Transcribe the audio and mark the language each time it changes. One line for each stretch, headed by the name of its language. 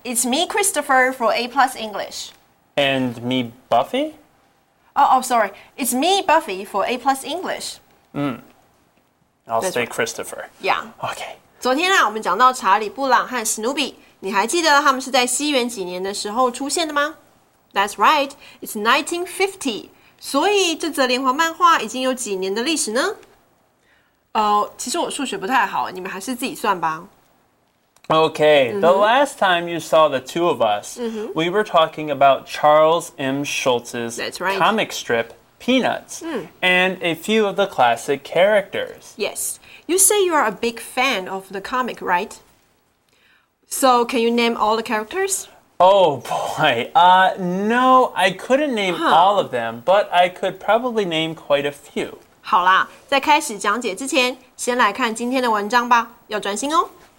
English: It's me, Christopher, for A Plus English. And me, Buffy? Oh, sorry. It's me, Buffy, for A Plus English. I'll stay Christopher. Yeah. Okay.
Chinese: 昨天啊，我们讲到查理·布朗和史努比，你还记得他们是在西元几年的时候出现的吗？
English: That's right. It's 1950.
Chinese: 所以这则连环漫画已经有几年的历史呢？其实我数学不太好，你们还是自己算吧。
English: Okay, the last time you saw the two of us, we were talking about Charles M. Schulz's comic strip, Peanuts, and a few of the classic characters. Yes, you say you are a big fan of the comic, right? So, can you name all the characters? Oh, boy. No, I couldn't name all of them, but I could probably name quite a few.
Chinese: 好啦，在开始讲解之前，先来看今天的文章吧，要专心哦。